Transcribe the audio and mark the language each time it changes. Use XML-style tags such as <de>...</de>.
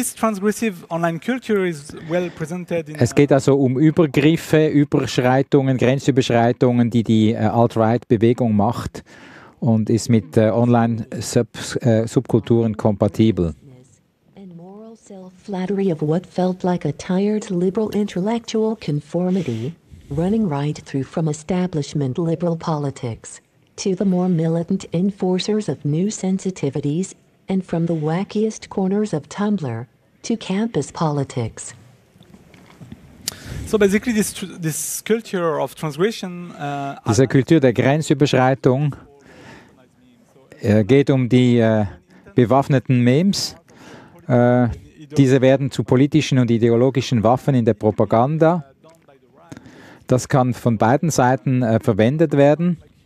<de>Es geht also um Übergriffe, Überschreitungen, Grenzüberschreitungen, die die Alt-Right-Bewegung macht und ist mit Online-Subkulturen kompatibel.</de> <en>Flattery of what felt like a tired liberal intellectual conformity, running right through from establishment liberal politics to the more militant enforcers of new sensitivities and from the wackiest corners of Tumblr to campus politics. So basically this culture of transgression.</en> <de>Diese Kultur der Grenzüberschreitung geht um die bewaffneten Memes. Diese werden zu politischen und ideologischen Waffen in der Propaganda. Das kann von beiden Seiten verwendet werden.</de>